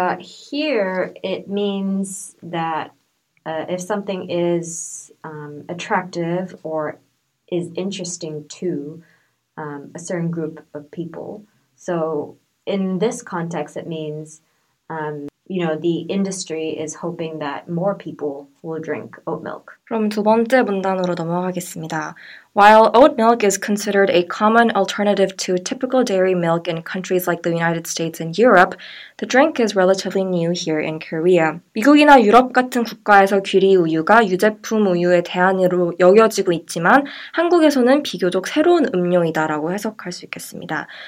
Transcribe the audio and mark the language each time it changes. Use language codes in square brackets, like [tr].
[en] Here, it means that if something is attractive or is interesting to a certain group of people. So in this context, it means, you know, the industry is hoping that more people will drink oat milk. [ko] 그럼 두 번째 문단으로 넘어가겠습니다. [en] While oat milk is considered a common alternative to typical dairy milk in countries like the United States and Europe, the drink is relatively new here in Korea. [ko] 미국이나 유럽 같은 국가에서 귀리 우유가 유제품 우유의 대안으로 여겨지고 있지만 한국에서는 비교적 새로운 음료이다라고 해석할 수 있겠습니다.